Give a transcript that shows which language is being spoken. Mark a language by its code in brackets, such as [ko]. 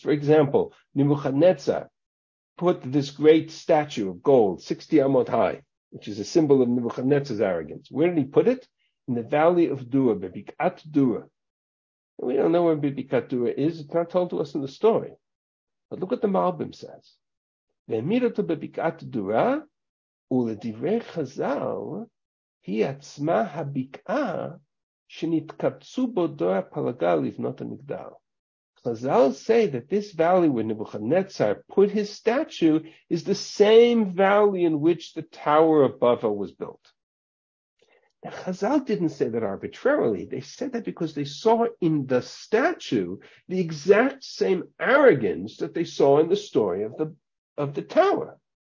[en] For example, Nebuchadnezzar put this great statue of gold, 60 amot high, which is a symbol of Nebuchadnezzar's arrogance. Where did he put it? In the valley of Dura, Bebikat Dura. We don't know where Bibi Katura is. It's not told to us in the story. But look what the Malbim says. [he] ומילתו בבקעת דורה, ולדברי חז"ל, היא עצמה הבקעה שנתקבצו בו דור הפלגה לבנות המגדל. [en] Chazal say that this valley where Nebuchadnezzar put his statue is the same valley in which the tower of Babel was built. Now, Chazal didn't say that arbitrarily. They said that because they saw in the statue the exact same arrogance that they saw in the story of the tower.